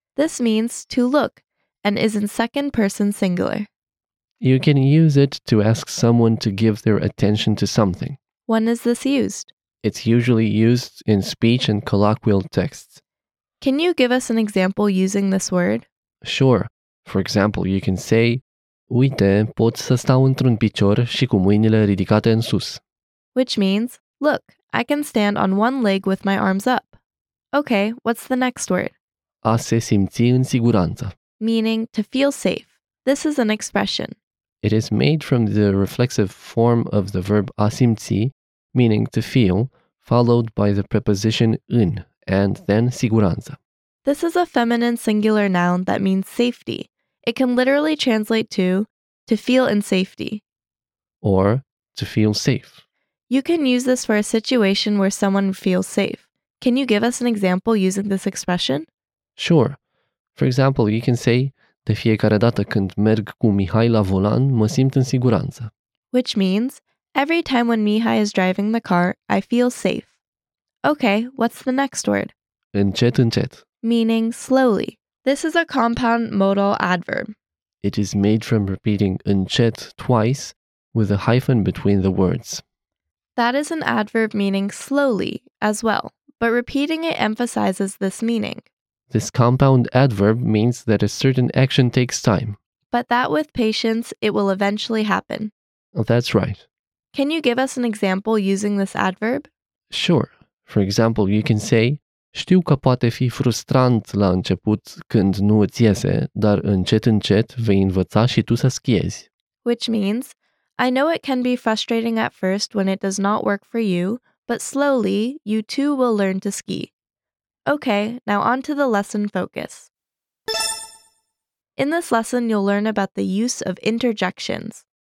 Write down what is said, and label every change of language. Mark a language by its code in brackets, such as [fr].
[en] This means to look and is in second person singular. You can use it to ask someone to give their attention to something. When is this used? It's usually used in speech and colloquial texts. Can you give us an example using this word? Sure. For example, you can say, [ro] uite, pot să stau într-un picior și cu mâinile ridicate în sus. [en] Which means, look, I can stand on one leg with my arms up. Okay, what's the next word? [ro] A se simți în siguranță. [en] Meaning, to feel safe. This is an expression. It is made from the reflexive form of the verb a simți, meaning to feel, followed by the preposition în, and then siguranță. This is a feminine singular noun that means safety. It can literally translate to feel in safety. Or to feel safe. You can use this for a situation where someone feels safe. Can you give us an example using this expression? Sure. For example, you can say, [ro] de fiecare dată când merg cu Mihai la volan, mă simt în siguranță. [en] Which means, every time when Mihai is driving the car, I feel safe. Okay, what's the next word? [ro] Încet, încet. [en] Meaning slowly. This is a compound modal adverb. It is made from repeating încet twice with a hyphen between the words. That is an adverb meaning slowly as well, but repeating it emphasizes this meaning. This compound adverb means that a certain action takes time. But that with patience, it will eventually happen. That's right. Can you give us an example using this adverb? Sure. For example, you can say, [ro] știu că poate fi frustrant la început când nu îți iese, dar încet încet vei învăța și tu să schiezi. [en] Which means, I know it can be frustrating at first when it does not work for you, but slowly, you too will learn to ski. Okay, now on to the lesson focus. In this lesson, you'll learn about the use of interjections.